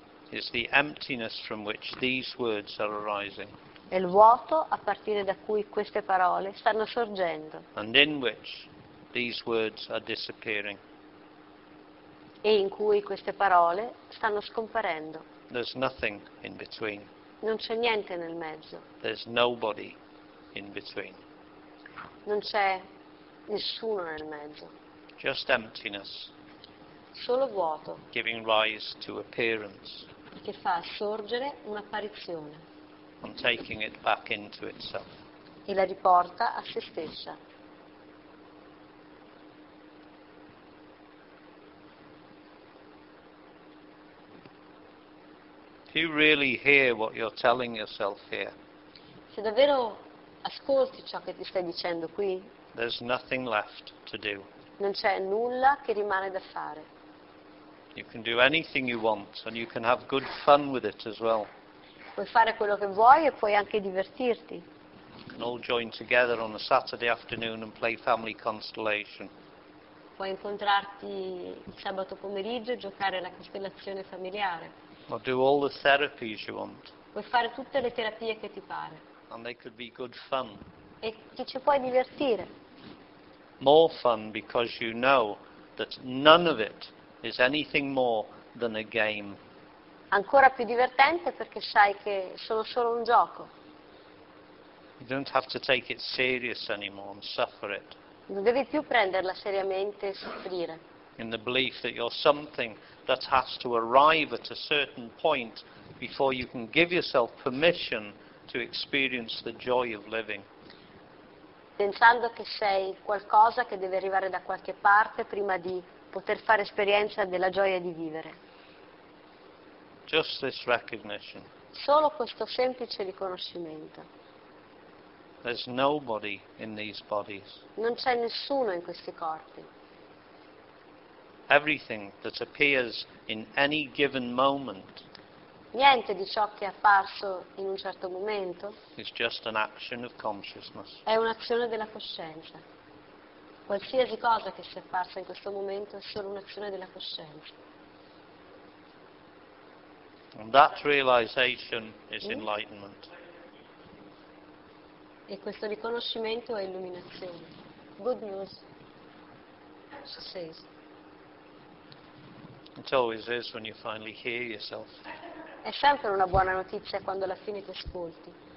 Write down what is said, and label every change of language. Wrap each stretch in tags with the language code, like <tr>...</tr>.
<en>Is the emptiness from which these words are arising.</en> <it>È il vuoto a partire da cui queste parole stanno sorgendo.</it> <en>And in which these words are disappearing.</en> <it>E in cui queste parole stanno scomparendo.</it> <en>There's nothing in between.</en> <it>Non c'è niente nel mezzo.</it> <en>There's nobody in between.</en> <it>Non c'è nessuno nel mezzo.</it> <en>Just emptiness.</en> <it>Solo vuoto.</it> <en>Giving rise to appearance.</en> <it>Che fa sorgere un'apparizione.</it> <en>And taking it back into itself.</en> <it>E la riporta a se stessa.</it> <en>Do you really hear what you're telling yourself here?</en> <it>Se davvero ascolti ciò che ti stai dicendo qui.</it> <en>There's nothing left to do.</en> <it>Non c'è nulla che rimane da fare.</it> <en>You can do anything you want and you can have good fun with it as well.</en> <it>Puoi fare quello che vuoi e puoi anche divertirti.</it> <en>You can all join together on a Saturday afternoon and play Family Constellation.</en> <it>Puoi incontrarti il sabato pomeriggio e giocare alla costellazione familiare.</it> <en>Or do all the therapies you want.</en> <it>Puoi fare tutte le terapie che ti pare.</it> <en>And they could be good fun.</en> <it>E ti ci puoi divertire.</it> <en>More fun because you know that none of it is anything more than a game.</en> <it>Ancora più divertente perché sai che sono solo un gioco.</it> <en>You don't have to take it serious anymore and suffer it.</en> <it>Non devi più prenderla seriamente e soffrire.</it> <en>In the belief that you're something that has to arrive at a certain point before you can give yourself permission to experience the joy of living.</en> <it>pensando che sei qualcosa che deve arrivare da qualche parte prima di poter fare esperienza della gioia di vivere.</it> <en>Just this recognition.</en> <it>Solo questo semplice riconoscimento.</it> <en>There's nobody in these bodies.</en> <it>Non c'è nessuno in questi corpi.</it> <en>Everything that appears in any given moment</en> <it>Niente di ciò che è apparso in un certo momento</it> <en>is just an action of consciousness.</en> <it>è un'azione della coscienza. Qualsiasi cosa che sia apparsa in questo momento è solo un'azione della coscienza.</it> <en>And that realization is enlightenment.</en> <it>E questo riconoscimento è illuminazione.</it> <en>Good news, she says. It always is when you finally hear yourself.</en> <it>È sempre una buona notizia quando alla fine ti ascolti.</it>